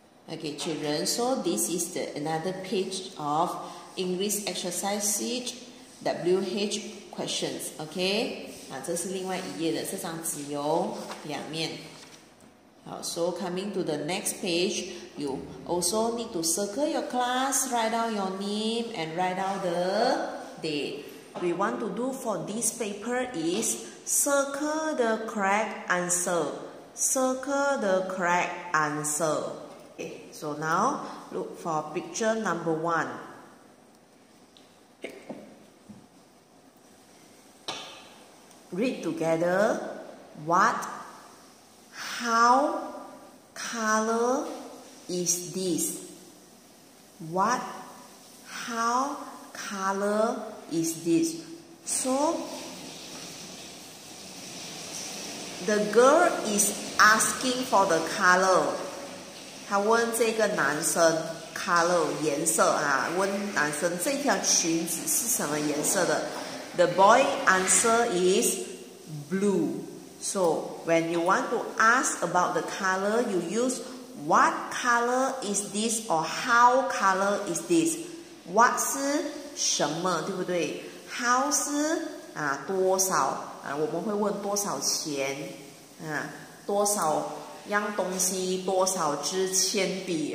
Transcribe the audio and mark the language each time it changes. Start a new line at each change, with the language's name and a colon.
English: Okay, children, so this is the another page of English exercise sheet. WH questions, okay?
Chinese: 啊，这是另外一页的，这张纸有两面。
English: 好 ，so coming to the next page, you also need to circle your class, write down your name and write down the date. We want to do for this paper is Circle the correct answer. Circle the correct answer. Okay, so now look for picture number one. Read together. What? How? Color is this? What? How? Color is this? So the girl is asking for the color.
Chinese: 她问这个男生 color 颜色啊，问男生这条裙子是什么颜色的。
English: The boy answer is blue. So when you want to ask about the color, you use what color is this or how color is this?
Chinese: What 是什么，对不对？ How 是啊多少啊，我们会问多少钱啊，多少样东西，多少支铅笔。